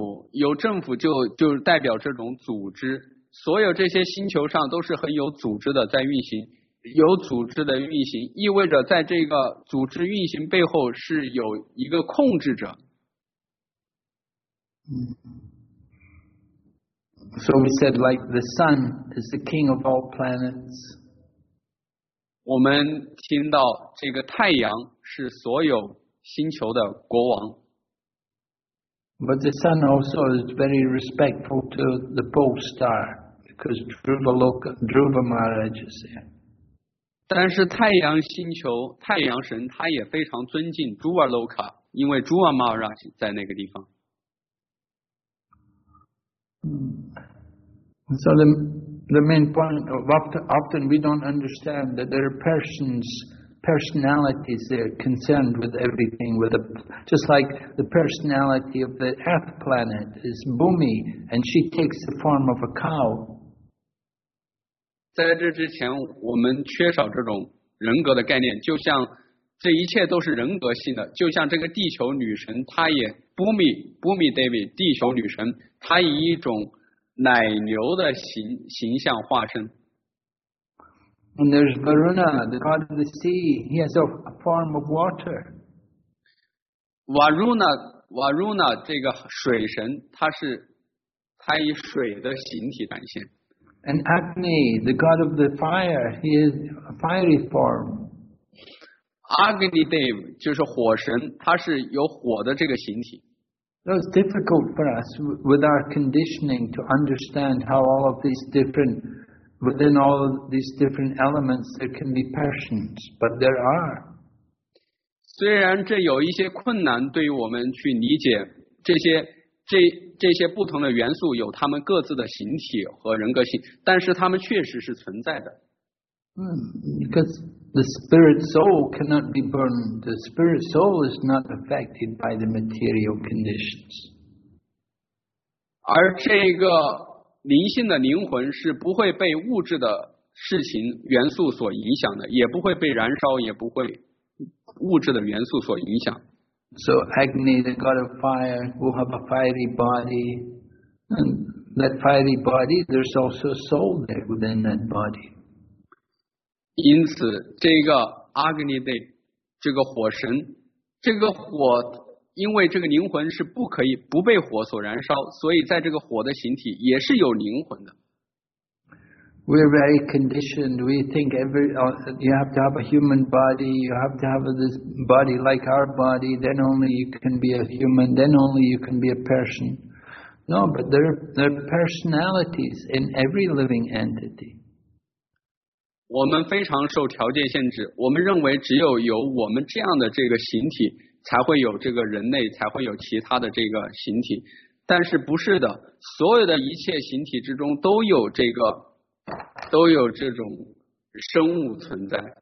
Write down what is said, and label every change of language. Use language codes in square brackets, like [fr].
[zh] 有政府就代表这种组织。所有这些星球上都是很有组织的在运行，有组织的运行意味着在这个组织运行背后是有一个控制者。 [en] So we said like the sun is the king of all planets. [zh] 我们听到这个太阳是所有星球的国王。 [en] But the sun also is very respectful to the pole star. Because Dhruva Maharaj is there. [zh] 但是太阳星球太阳神他也非常尊敬 Dhruva Loka， 因为 Dhruva Maharaj 在那个地方。 [en] So the main point of often we don't understand that there are personalities there concerned with everything, with just like the personality of the Earth planet is Bhumi, and she takes the form of a cow. [zh] 在这之前我们缺少这种人格的概念，就像这一切都是人格性的，就像这个地球女神她也 Bhumi Devi 地球女神她以一种奶牛的 形象化身。 [en] And there's Varuna, the god of the sea. He has a form of water. [zh] Varuna 这个水神他以水的形体展现。 [en] And Agni, the god of the fire, he is a fiery form. [zh] Agni Dev 就是火神，他是有火的这个形体。 [en] So it's difficult for us with our conditioning to understand how all of these different, within all of these different elements, there can be persons, but there are. [zh] 虽然这有一些困难对于我们去理解这些不同的元素有他们各自的形体和人格性，但是他们确实是存在的。 [en] Because the spirit soul cannot be burned. The spirit soul is not affected by the material conditions. [zh] 而这个灵性的灵魂是不会被物质的事情元素所影响的，也不会被燃烧，也不会物质的元素所影响。 [en] So Agni, the god of fire, will have a fiery body. And that fiery body, there's also a soul there within that body. [zh] 因此这个 Agni Dev, 这个火神，这个火因为这个灵魂是不可以不被火所燃烧，所以在这个火的形体也是有灵魂的。 [en] We're very conditioned. We think you have to have a human body. You have to have this body like our body. Then only you can be a human. Then only you can be a person. No, but there are personalities in every living entity. [zh] 我们非常受条件限制。我们认为只有有我们这样的这个形体，才会有这个人类，才会有其他的这个形体。但是不是的，所有的一切形体之中都有这个。都有这种生物存在。